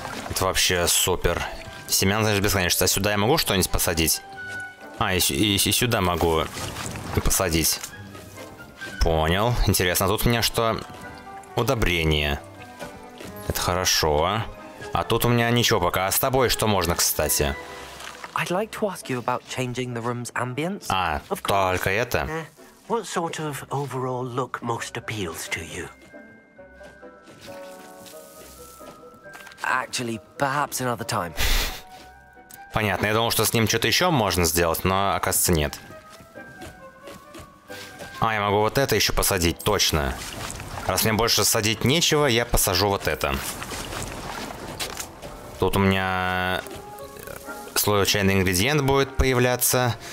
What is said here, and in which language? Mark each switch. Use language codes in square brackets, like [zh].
[ru] Это вообще супер. Семян, значит, бесконечность. А сюда я могу что-нибудь посадить? А, и сюда могу посадить. Понял. Интересно, тут у меня что? Удобрение. Это хорошо. А тут у меня ничего пока. А с тобой что можно, кстати? [en] I'd like to ask you about changing the room's ambience. [ru] А, только это? [en] What sort of overall look most appeals to you? Actually, perhaps another time. [ru] Понятно, я думал, что с ним что-то еще можно сделать, но оказывается нет. А, я могу вот это еще посадить, точно. Раз мне больше садить нечего, я посажу вот это. Тут у меня... случайный ингредиент будет появляться.